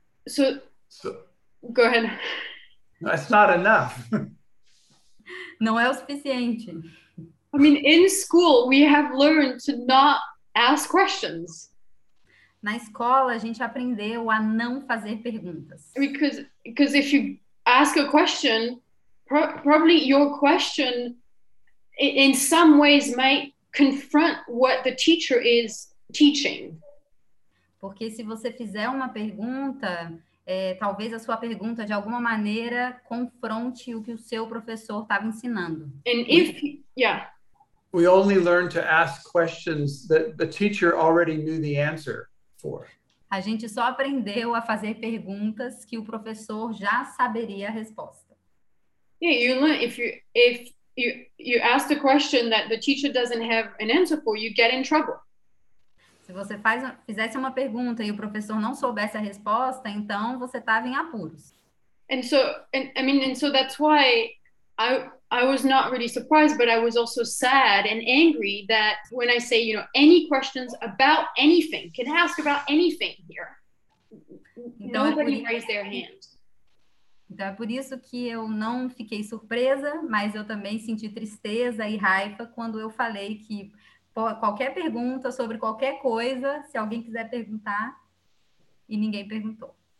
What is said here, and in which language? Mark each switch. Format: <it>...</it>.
<en>So, go ahead. That's not enough.</en> <pt>Não é o suficiente.</pt> <en>I mean, in school, we have learned to not ask questions.</en> <pt>Na escola, a gente aprendeu a não fazer perguntas.</pt> <en>Because if you ask a question, probably your question in some ways might confront what the teacher is teaching.</en> <pt>Porque se você fizer uma pergunta, talvez a sua pergunta, de alguma maneira, confronte o que o seu professor estava ensinando.</pt> <en>And if, yeah. We only learn to ask questions that the teacher already knew the answer for.</en> <pt>A gente só aprendeu a fazer perguntas que o professor já saberia a resposta.</pt> <en>Yeah, you learn, if you ask a question that the teacher doesn't have an answer for, you get in trouble.</en> <pt>Se você fizesse uma pergunta e o professor não soubesse a resposta, então você estava em apuros.</pt> <en>And so that's why I was not really surprised, but I was also sad and angry that when I say, you know, any questions about anything, can ask about anything here.</en> <pt>Então,</pt> <en>nobody raised their hand.</en> <pt>Então é por isso que eu não fiquei surpresa, mas eu também senti tristeza e raiva quando eu falei que qualquer pergunta sobre qualquer coisa, se alguém quiser perguntar, e ninguém perguntou.</pt>